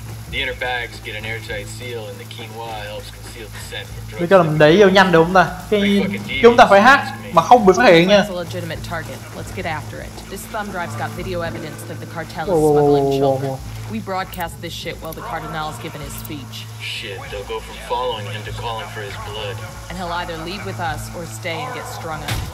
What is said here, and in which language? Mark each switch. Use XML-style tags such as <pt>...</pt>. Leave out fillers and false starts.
<en>The inner bags get an airtight seal and the quinoa helps conceal the scent from drugs.</en> <vi>Chúng ta làm đẩy vô nhanh được không ta? Chúng ta phải hát mà không bị phát hiện nha.</vi> <en>It's a legitimate target. Let's get after it. This thumb drive's got video evidence that the cartel is smuggling children. We broadcast this shit while the Cardenal's giving his speech. Shit, they'll go from following him to calling for his blood. And he'll either leave with us or stay and get strung up.</en>